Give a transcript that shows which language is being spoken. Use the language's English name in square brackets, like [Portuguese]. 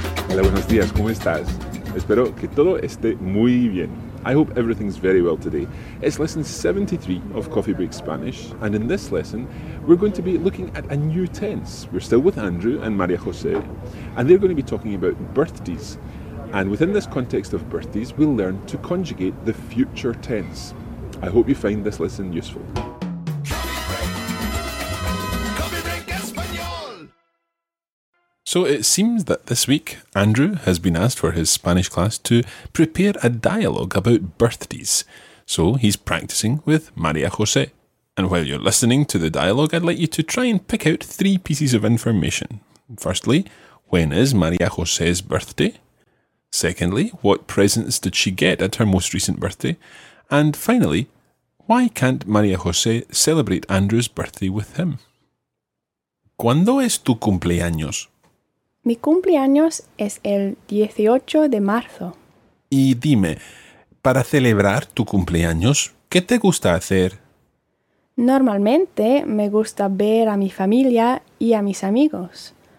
[Spanish] Hola, buenos días, ¿cómo estás? Espero que todo esté muy bien. [English] I hope everything's very well today. It's lesson 73 of Coffee Break Spanish, and in this lesson, we're going to be looking at a new tense. We're still with Andrew and Maria Jose, and they're going to be talking about birthdays. And within this context of birthdays, we'll learn to conjugate the future tense. I hope you find this lesson useful. So it seems that this week, Andrew has been asked for his Spanish class to prepare a dialogue about birthdays. So he's practicing with María José. And while you're listening to the dialogue, I'd like you to try and pick out three pieces of information. Firstly, when is María José's birthday? Secondly, what presents did she get at her most recent birthday? And finally, why can't María José celebrate Andrew's birthday with him? [Spanish] ¿Cuándo es tu cumpleaños? Mi cumpleaños es el 18 de marzo. Y dime, para celebrar tu cumpleaños, ¿qué te gusta hacer? Normalmente me gusta ver a mi familia y a mis amigos.